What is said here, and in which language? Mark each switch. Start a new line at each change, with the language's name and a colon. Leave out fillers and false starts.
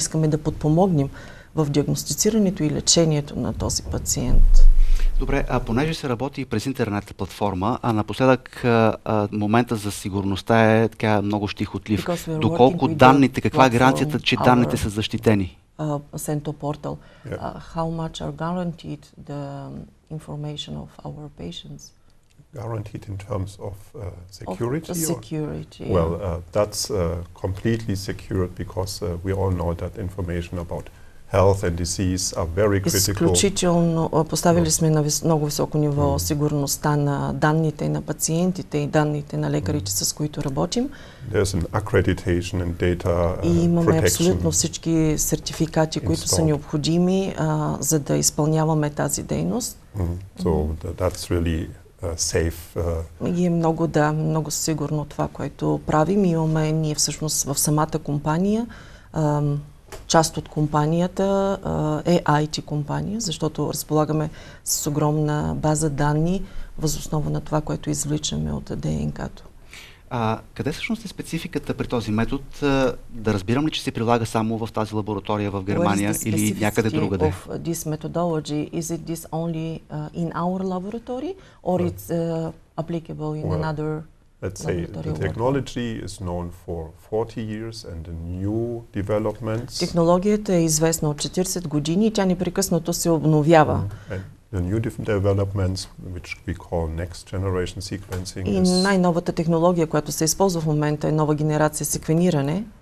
Bulgarian: Ние искаме да подпомогнем в диагностицирането и лечението на този пациент. Добре, а понеже се работи и през интернет платформа, а напоследък момента за сигурността е така много щихотлив. Доколко данните, каква е гаранцията, че данните са защитени? Sento portal.
English: How much are guaranteed the information of our patients? Guaranteed in terms of security? Of security. Or? Well, that's completely secured because we all know that information about health and disease are very critical.
Bulgarian: Изключително поставили сме на много високо ниво сигурността на данните на пациентите и данните на лекарите, с които работим.
English: There's an accreditation and data
Bulgarian: и имаме абсолютно всички сертификати, които са необходими, за да изпълняваме тази дейност.
English: So that's really safe.
Bulgarian: И е много, да, много сигурно това, което правим. И имаме ние всъщност в самата компания, част от компанията е IT компания, защото разполагаме с огромна база данни въз основа на това, което извличаме от ДНК-то. Къде всъщност е спецификата при този метод? Да разбирам ли, че се прилага само в тази лаборатория в Германия или някъде другаде?
English: What is the specificity of this methodology? Is it this only in our laboratory or it's applicable in another laboratory? Let's say the technology is known for 40 years and the new developments.
Bulgarian: Технологията е известна от 40 години и тя непрекъснато се обновява.
English: The new different developments, which we call next generation sequencing,
Bulgarian: и най-новата технология, която се използва в момента, е нова генерация секвениране.